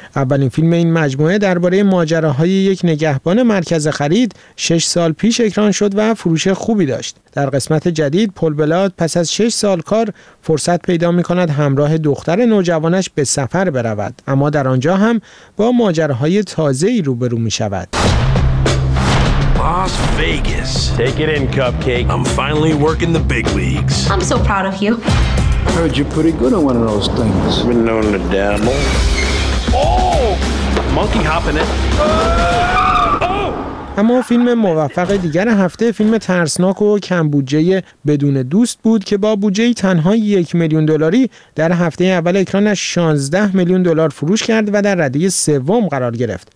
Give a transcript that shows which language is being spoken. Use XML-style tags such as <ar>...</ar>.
<fa>اولین فیلم این مجموعه درباره ماجراهای یک نگهبان مرکز خرید 6 سال پیش اکران شد و فروش خوبی داشت. در قسمت جدید پل بلارت پس از 6 سال کار فرصت پیدا می‌کند همراه دختر نوجوانش به سفر برود، اما در آنجا هم با ماجراهای تازه‌ای روبرو می‌شود.</fa> <en>Las Vegas. Take it in, cupcake. I'm finally working the big leagues. I'm so proud of you. I heard you're pretty good at one of those things. I've been known to dabble. Oh! Monkey hopping it.</en> <fa>اما فیلم موفق دیگر هفته فیلم ترسناک و کم بودجه بدون دوست بود که با بودجه تنها 1 میلیون دلاری در هفته اول اکرانش 16 میلیون دلار فروش کرد و در رده سوم قرار گرفت.</fa>